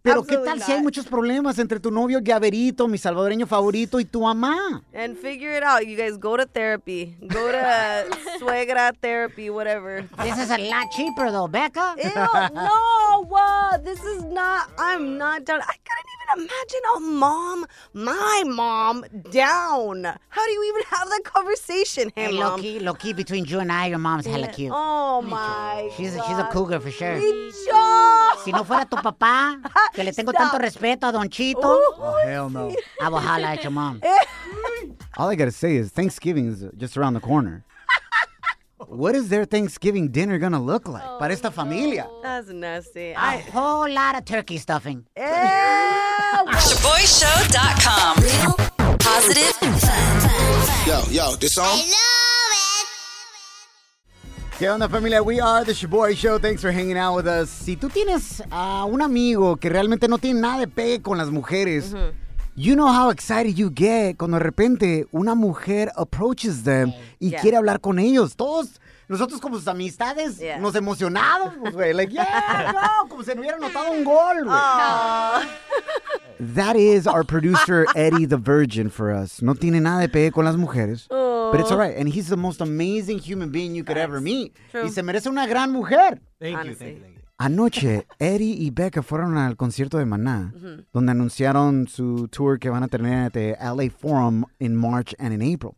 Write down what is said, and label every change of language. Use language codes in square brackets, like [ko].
[es] Pero qué tal si hay muchos problemas entre tu novio Gaverito, mi salvadoreño favorito, y tu mamá? [en] And figure figure it out. You guys go to therapy. Go to suegra therapy, whatever. This is a lot cheaper, though, Becca. Ew, no. This is not, I'm not done. I couldn't even imagine a mom, my mom, down. How do you even have that conversation, hey, mom? Low key, between you and I, your mom's hella cute. Oh, my God. She's a cougar for sure. Micho! [es] Si no fuera tu papá, que le tengo tanto respeto a Don Chito. [en] Oh, hell no. I will holla at your mom. All I gotta say is Thanksgiving is just around the corner. What is their Thanksgiving dinner gonna look like? [es] Para esta familia. [en] That's nasty. A whole lot of turkey stuffing. ShaBoyShow.com. Real, positive, and fun. Yo, this song? I love it. [es] ¿Qué onda, familia? [en] We are the ShaBoy Show. Thanks for hanging out with us. [es] Si tú tienes a un amigo que realmente no tiene nada de pegue con las mujeres, [en] you know how excited you get [es] cuando de repente una mujer [en] approaches them [es] y quiere hablar con ellos. Todos nosotros como sus amistades nos emocionamos, güey. Like, yeah, no, como si no hubiera notado un gol, güey. [en] That is our producer, Eddie the Virgin, for us. [es] No tiene nada de pegue con las mujeres, [en] but it's all right. And he's the most amazing human being you could ever meet. True. [es] Y se merece una gran mujer. [en] Thank you. [es] Anoche, Eddie y Becca fueron al concierto de Maná, donde anunciaron su tour que van a tener [en] at the LA Forum in March and in April.